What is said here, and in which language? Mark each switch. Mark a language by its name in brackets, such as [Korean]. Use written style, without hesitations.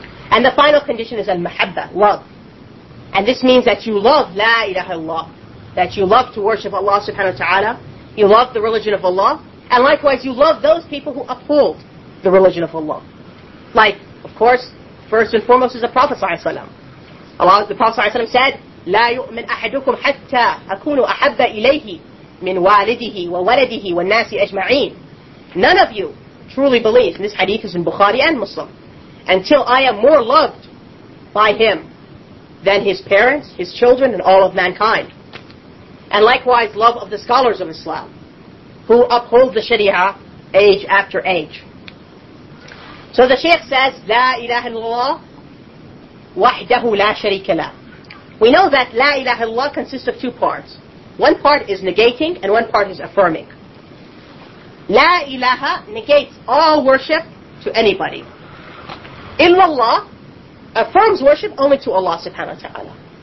[English] And the final condition is al-mahabba, love. And this means that you love la ilaha illallah, that you love to worship Allah subhanahu wa ta'ala, You love the religion of Allah, and likewise you love those people who uphold the religion of Allah. Like, of course, first and foremost is the Prophet ﷺ. Allah, the Prophet ﷺ said, [Arabic] لَا يُؤْمِنْ أَحَدُكُمْ حَتَّى أَكُونُ أَحَبَّ إِلَيْهِ مِنْ وَالِدِهِ وَوَلَدِهِ وَالنَّاسِ أَجْمَعِينَ. [English] None of you truly believe, and this hadith is in Bukhari and Muslim, until I am more loved by him than his parents, his children, and all of mankind. And likewise, love of the scholars of Islam, who uphold the Sharia age after age. So the Shaykh says, [Arabic] لا إله إلا الله وحده لا شريك له. [English] We know that La ilaha illallah consists of two parts. One part is negating and one part is affirming. La ilaha negates all worship to anybody. Illallah affirms worship only to Allah subhanahu wa ta'ala.